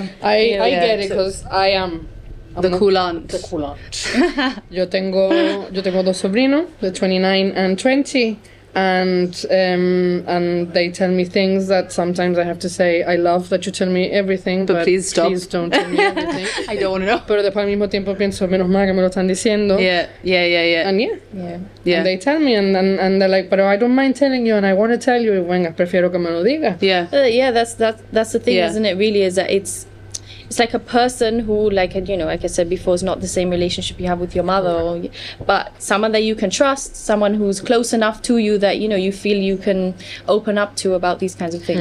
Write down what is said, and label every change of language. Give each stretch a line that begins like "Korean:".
English: I get it, because I am... The cool aunt.
Spanish: Yo tengo dos sobrinos,
English: they're 29 and 20, and they tell me things that sometimes I have to say, I love that you tell me everything, but please stop. Please don't tell me everything. I don't want to know.
Spanish: Pero después al mismo tiempo pienso, menos mal que me lo están diciendo.
English: Yeah. And they tell me, and they're like, but I don't mind telling you, and I want to tell you,
Spanish: venga, prefiero que me lo diga.
English: Yeah. That's the thing, isn't it, really, is that it's... it's like a person who, like, you know, like I said before, is not the same relationship you have with your mother, or, but someone that you can trust, someone who's close enough to you that, you know, you feel you can open up to about these kinds of things.